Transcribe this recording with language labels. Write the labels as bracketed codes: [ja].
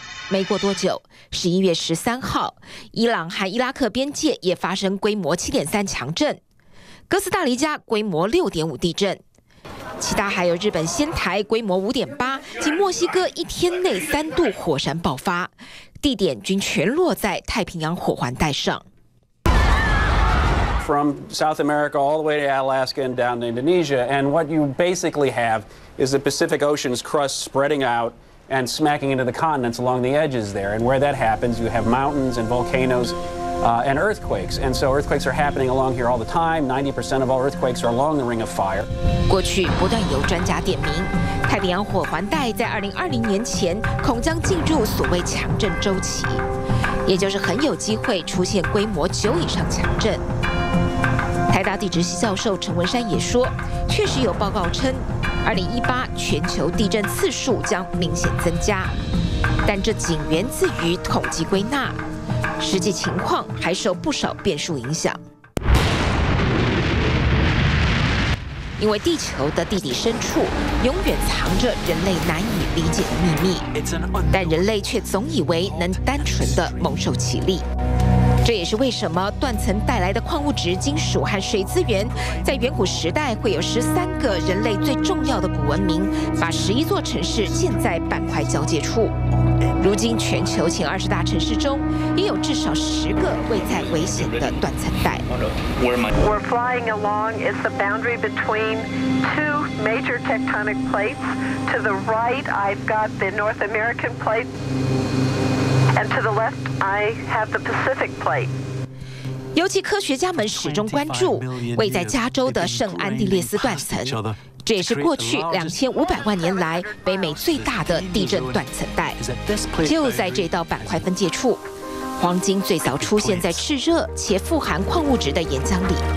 [zh] 没过多久，11月13号，伊朗和伊拉克边界也发生规模7.3强震，哥斯达黎加规模6.5地震，其他还有日本仙台规模5.8，仅墨西哥一天内3度火山爆发，地点均全落在太平洋火环带上。 [en] From South America all the way to Alaska and down to Indonesia, and what you basically have is the Pacific Ocean's crust spreading out and smacking into the continents along the edges there. And where that happens, you have mountains and volcanoes, and earthquakes. And so earthquakes are happening along here all the time. 90% of all earthquakes are along the Ring of Fire. [zh] 过去不断有专家点名，太平洋火环带在2020年前恐将进入所谓强震周期，也就是很有机会出现规模9以上强震。台大地质系教授陈文山也说，确实有报告称2018全球地震次数将明显增加，但这仅源自于统计归纳，实际情况还受不少变数影响。因为地球的地底深处永远藏着人类难以理解的秘密，但人类却总以为能单纯的蒙受其利。这也是为什么断层带来的矿物质、金属和水资源，在远古时代会有13个人类最重要的古文明，把11座城市建在板块交界处。如今，全球前20大城市中，也有至少10个位在危险的断层带。 [en] We're flying along. It's the boundary between two major tectonic plates. To the right, I've got the North American plate. And to the left, I have the Pacific plate. [zh] 尤其科学家们始终关注位在加州的圣安地列斯断层，这也是过去2500万年来北美最大的地震断层带。就在这道板块分界处，黄金最早出现在炽热且富含矿物质的岩浆里。